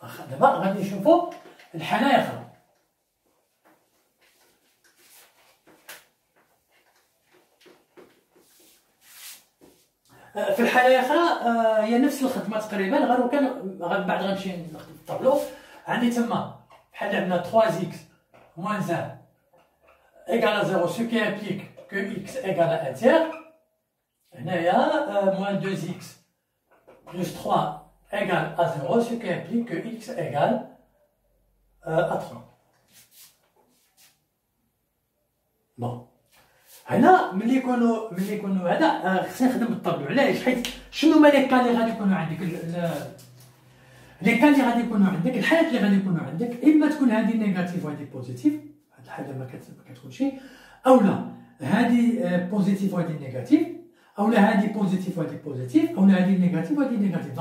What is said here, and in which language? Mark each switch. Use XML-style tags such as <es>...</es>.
<ar>دابا غادي نشوفوا الحالة اخرى في الحالة اخرى هي نفس الخدمة تقريبا غير وكان غير بعد غنمشي نخدم في الطابلو عندي تما بحال عندنا 3 اكس</ar> <fr>moins 1 égale à 0, ce qui implique que x égale à 1 tiers. Là, il y a moins 2x plus 3 égale à 0, ce qui implique que x égale à 3. Bon.</fr> <ar>هنا ملي يكونوا هذا خصني نخدم بالطابلو. علاش؟ حيت شنو هما لي كان اللي غادي يكونوا عندك لي كان اللي غادي يكونوا عندك الحالات اللي غادي يكونوا عندك اما تكون هذه نيجاتيف وهذه بوزيتيف هاد الحاله ما كتكونش اولا هذه بوزيتيف وهذه نيجاتيف اولا هذه بوزيتيف وهذه بوزيتيف اولا هذه نيجاتيف وهذه نيجاتيف.</ar>